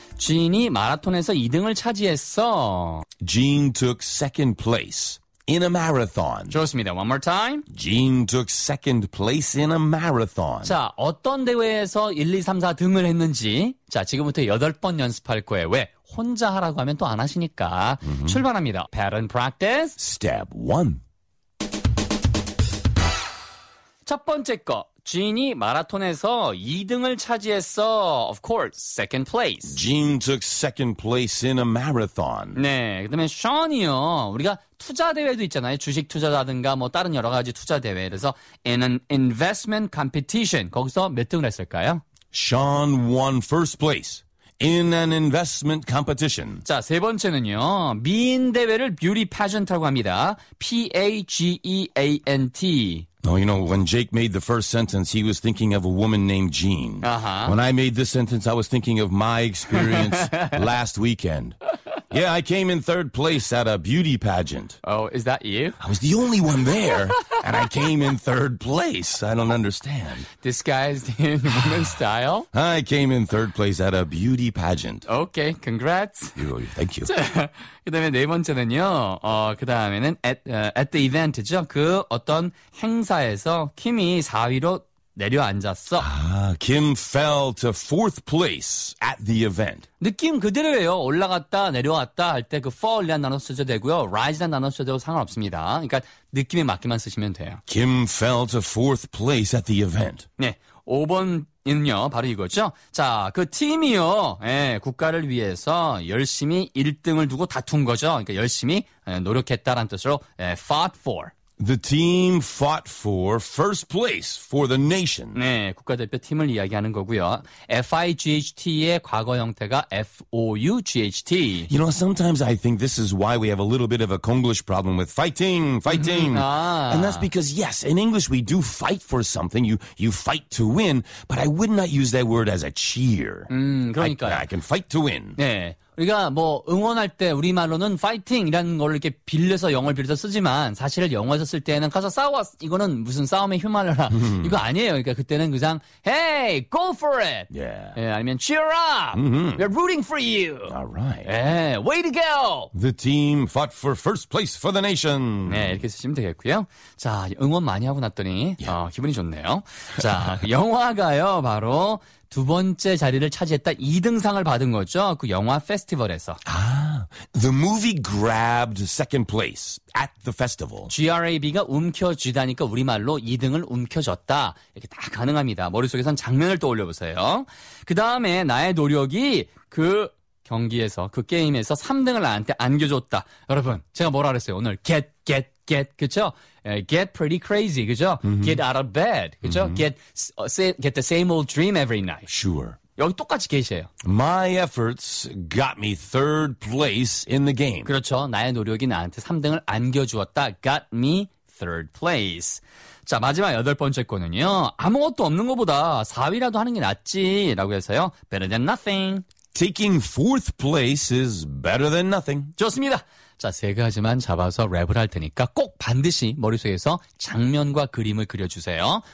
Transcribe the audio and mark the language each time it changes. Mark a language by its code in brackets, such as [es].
[ko] 진이 마라톤에서 2등을 차지했어. [en] Gene took second place in a marathon. [ko] 좋습니다. [en] One more time. Gene took second place in a marathon. [ko] 자, 어떤 대회에서 1, 2, 3, 4등을 했는지. 자, 지금부터 8번 연습할 거예요. 왜? 혼자 하라고 하면 또 안 하시니까. [en] Mm-hmm. [ko] 출발합니다. [en] Pattern practice. Step 1. [ko] 첫 번째 거. 진이 마라톤에서 2등을 차지했어. [en] Of course, second place. Gene took second place in a marathon. [ko] 네, 그 다음에 Sean이요. 우리가 투자 대회도 있잖아요. 주식 투자라든가 뭐 다른 여러 가지 투자 대회. 그래서 [en] in an investment competition. [ko] 거기서 몇 등을 했을까요? [en] Sean won first place in an investment competition. [ko] 자, 세 번째는요. 미인 대회를 beauty pageant라고 합니다. [en] P-A-G-E-A-N-T. Oh, you know, when Jake made the first sentence, he was thinking of a woman named Jean. Uh-huh. When I made this sentence, I was thinking of my experience last weekend. Yeah, I came in third place at a beauty pageant. Oh, is that you? I was the only one there, and I came in third place. I don't understand. Disguised in woman's style? I came in third place at a beauty pageant. Okay, congrats. Thank you. [ko] 그 다음에 네 번째는요. 그 다음에는 [en] at the event죠. [ko] 그 어떤 행사에서 Kim이 4위로 내려앉았어. [en] 아, Kim fell to fourth place at the event. [ko] 느낌 그대로예요. 올라갔다 내려왔다 할 때 그 fall이란 단어 쓰셔도 되고요. rise란 단어 쓰셔도 상관없습니다. 그러니까 느낌에 맞게만 쓰시면 돼요. [en] Kim fell to fourth place at the event. [ko] 네. 5번은요. 바로 이거죠. 자, 그 팀이요. 예, 국가를 위해서 열심히 1등을 두고 다툰 거죠. 그러니까 열심히 노력했다라는 뜻으로 예, fought for. [en] The team fought for first place for the nation. [ko] 네, 국가대표 팀을 이야기하는 거고요. F-I-G-H-T의 과거 형태가 F-O-U-G-H-T. [en] You know, sometimes I think this is why we have a little bit of a Konglish problem with fighting, fighting. Mm-hmm. Ah. And that's because, yes, in English we do fight for something. You fight to win, but I would not use that word as a cheer. [ko] 그러니까요. [en] I can fight to win. [ko] 네. 우리가 뭐 응원할 때 우리말로는 파이팅 이라는 걸 이렇게 빌려서 영어를 빌려서 쓰지만 사실 영어에서 쓸 때는 가서 싸워 이거는 무슨 싸움의 휘말려라 이거 아니에요. 그러니까 그때는 그냥 [en] Hey, go for it. Yeah. [ko] 예, 아니면 [en] cheer up. Mm-hmm. We're rooting for you. All right. 예, way to go. The team fought for first place for the nation. [ko] 네, 이렇게 쓰시면 되겠고요. 자, 응원 많이 하고 났더니 [en] yeah. [ko] 기분이 좋네요. 자, 영화가요 바로 두 번째 자리를 차지했다. 2등상을 받은 거죠. 그 영화 페스티벌에서. [en] 아, the movie grabbed second place at the festival. [ko] GRAB가 움켜쥐다니까 우리말로 2등을 움켜쥐었다. 이렇게 다 가능합니다. 머릿속에선 장면을 떠올려보세요. 그 다음에 나의 노력이 그 경기에서, 그 게임에서 3등을 나한테 안겨줬다. 여러분, 제가 뭐라 그랬어요? 오늘 get, 그쵸? [en] Get pretty crazy, [ko] 그죠? [en] Mm-hmm. Get out of bed, [ko] 그죠? [en] Mm-hmm. Get the same old dream every night. Sure. [ko] 여기 똑같이 계세요. [en] My efforts got me third place in the game. [ko] 그렇죠. 나의 노력이 나한테 3등을 안겨주었다. [en] Got me third place. [ko] 자, 마지막 여덟 번째 거는요. 아무것도 없는 것보다 4위라도 하는 게 낫지. 라고 해서요. [en] Better than nothing. Taking fourth place is better than nothing. [ko] 좋습니다. 자, 세 가지만 잡아서 랩을 할 테니까 꼭 반드시 머릿속에서 장면과 그림을 그려주세요.